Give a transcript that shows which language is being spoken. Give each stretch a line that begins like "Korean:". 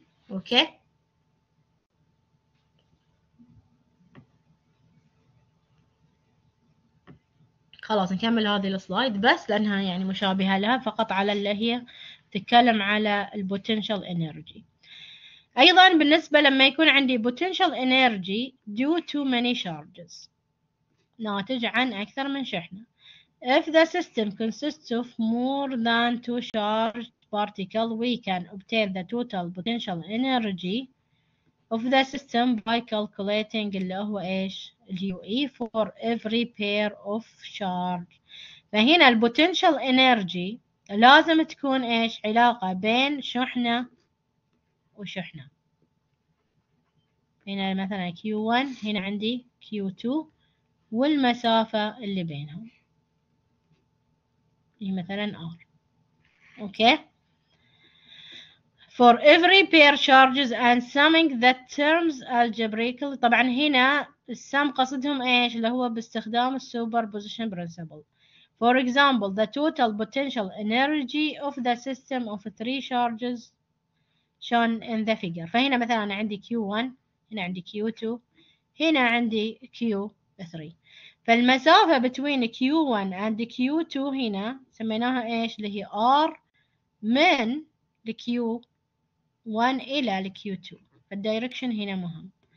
Arabic: اوكي، خلاص نكمل هذه السلايد بس لانها يعني مشابهه لها، فقط على اللي هي تتكلم على البوتنشال انرجي. ايضا بالنسبه لما يكون عندي بوتنشال انرجي due to many charges، ناتج عن اكثر من شحنه،
English: if the system consists of more than two charges particle we can obtain the total potential energy of the system by calculating
Arabic: اللي هو ايش
English: UE for every pair of charge.
Arabic: فهنا البوتنشال انرجي لازم تكون ايش، علاقة بين شحنة وشحنة. هنا مثلا Q1، هنا عندي Q2، والمسافة اللي بينهم هي مثلا R.
English: okay, for every pair charges and summing the terms algebraically،
Arabic: طبعا هنا السم قصدهم ايش اللي هو باستخدام
English: superposition principle. For example the total potential energy of the system of three charges shown in the figure.
Arabic: فهنا مثلا انا عندي Q1، هنا عندي Q2، هنا عندي Q3، فالمسافة
English: between Q1 and Q2
Arabic: هنا سميناها ايش اللي هي R من Q1 1 إلى Q2، فالدايركشن هنا مهم.